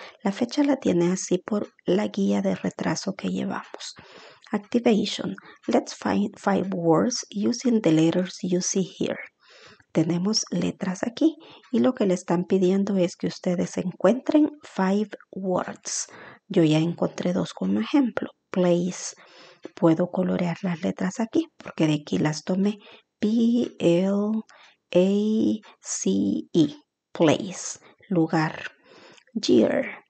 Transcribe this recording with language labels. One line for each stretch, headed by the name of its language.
Spanish: La fecha la tiene así por la guía de retraso que llevamos.
English: Activation. Let's find 5 words using the letters you see here.
Spanish: Tenemos letras aquí y lo que le están pidiendo es que ustedes encuentren 5 words. Yo ya encontré dos como ejemplo. Place. Puedo colorear las letras aquí porque de aquí las tomé.
English: P-L-A-C-E. Place. Lugar. Year.